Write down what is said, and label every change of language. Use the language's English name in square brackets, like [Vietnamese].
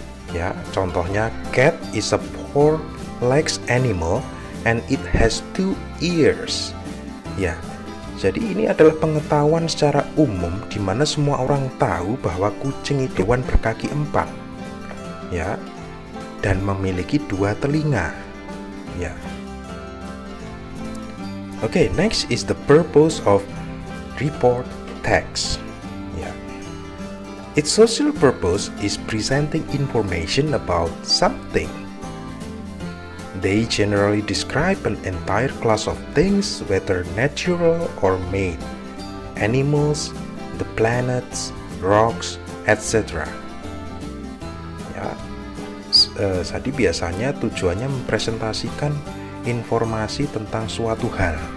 [Indonesian] Ya, contohnya [English] cat is a four-legged animal and it has two ears. [Indonesian] Ya. Jadi ini adalah pengetahuan secara umum di mana semua orang tahu bahwa kucing itu hewan berkaki empat. Ya. Dan memiliki dua telinga. Ya. [English] Okay, next is the purpose of report text. Yeah. Its social purpose is presenting information about something. They generally describe an entire class of things, whether natural or made, animals, the planets, rocks, etc. Yeah. [Indonesian] Jadi biasanya tujuannya mempresentasikan informasi tentang suatu hal.